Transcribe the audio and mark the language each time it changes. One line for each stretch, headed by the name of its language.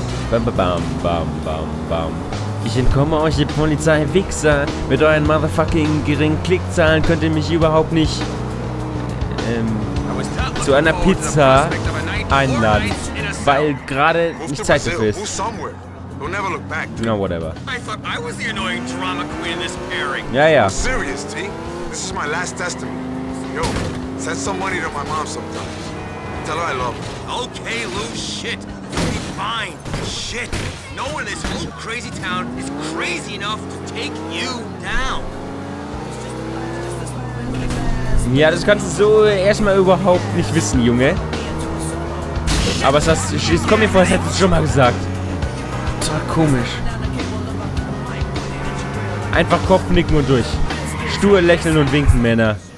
German: Bam, bam, bam, bam, bam. Ich entkomme euch, ihr Polizei-Wichser. Mit euren motherfucking geringen Klickzahlen könnt ihr mich überhaupt nicht zu einer Pizza einladen. Weil gerade nicht Zeit dafür ist.
English: We'll never look back, no, whatever. I thought I was the annoying drama queen in this pairing. Yeah, yeah. I'm serious, T. This is my last testament. Yo, send some money to my mom sometimes. Tell her I love her. Okay, Lou, shit. Fine. Shit. No one in this whole crazy town is crazy enough to take you down.
German: Ja, das kannst du so erstmal überhaupt nicht wissen, Junge. Aber es kommt mir vor, als hättest du es schon mal gesagt. Komisch. Einfach Kopfnicken und durch. Stur lächeln und winken, Männer.